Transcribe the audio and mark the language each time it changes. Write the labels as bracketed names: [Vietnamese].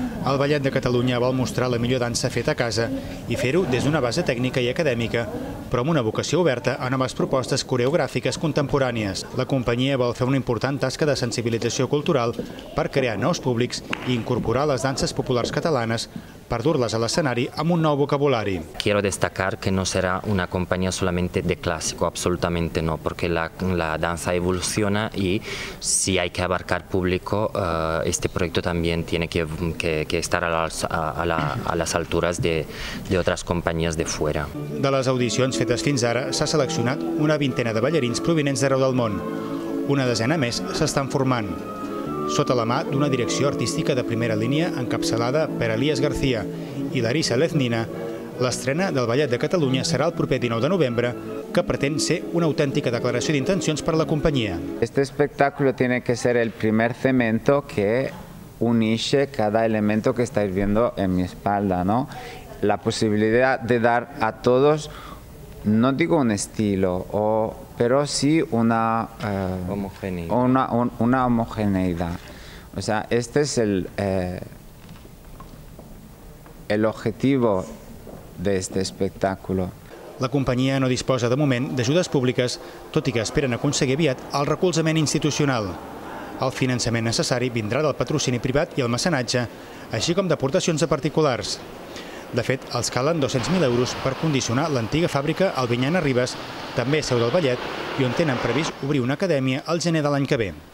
[Catalan] El Ballet de Catalunya vol mostrar la millor dansa feta a casa i fer-ho des d'una base tècnica i acadèmica, però amb una vocació oberta a noves propostes coreogràfiques contemporànies. La companyia vol fer una important tasca de sensibilització cultural per crear nous públics i incorporar les danses populars catalanes per dur-les a l'escenari amb un nou vocabulari. [Spanish] Quiero destacar que no será una compañía solamente de clásico, absolutamente no, porque la danza evoluciona y si hay que abarcar público, este proyecto también tiene que estar a las alturas de otras compañías de fuera. [Catalan] De les audicions fetes fins ara, s'ha seleccionat una vintena de ballarins provenents d'arreu del món. Una desena més s'estan formant. Sota la mà d'una direcció artística de primera línia encapçalada per Elías García i Larissa Leznina, l'estrena del Ballet de Catalunya serà el proper 19 de novembre, que pretén ser una autèntica declaració d'intencions per a la companyia. [Spanish] Este espectáculo tiene que ser el primer cemento que unixe cada elemento que estáis viendo en mi espalda, ¿no? La posibilidad de dar a todos, no digo un estilo, pero sí una homogeneidad. O sea, este es el objetivo de este espectáculo. [Catalan] La companyia no disposa de moment d'ajudes públiques, tot i que esperen aconseguir aviat el recolzament institucional. El finançament necessari vindrà del patrocini privat i el mecenatge, així com d'aportacions de particulars. De fet, els calen 200.000 euros per condicionar l'antiga fàbrica Albinyana Ribes, també seu del Vallet, i on tenen previst obrir una acadèmia el gener de l'any que ve.